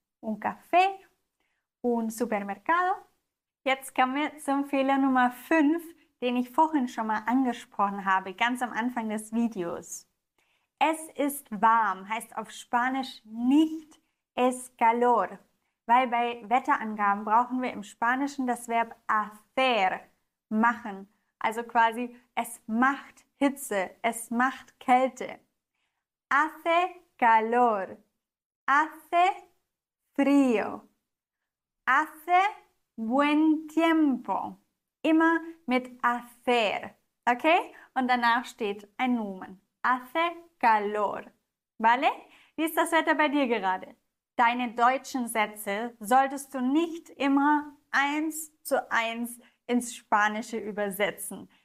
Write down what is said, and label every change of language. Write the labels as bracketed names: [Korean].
[Spanish] Un café, un supermercado. [German] Jetzt kommen wir zum Fehler Nummer 5, den ich vorhin schon mal angesprochen habe, ganz am Anfang des Videos. Es ist warm, heißt auf Spanisch nicht es calor, weil bei Wetterangaben brauchen wir im Spanischen das Verb hacer, machen. Also quasi, es macht Hitze, es macht Kälte. [Spanish] Hace calor, hace frío, hace buen tiempo. [German] Immer mit hacer, okay? Und danach steht ein Nomen. [Spanish] Hace calor, vale? [German] Wie ist das Wetter bei dir gerade? Deine deutschen Sätze solltest du nicht immer 1:1 ins Spanische übersetzen.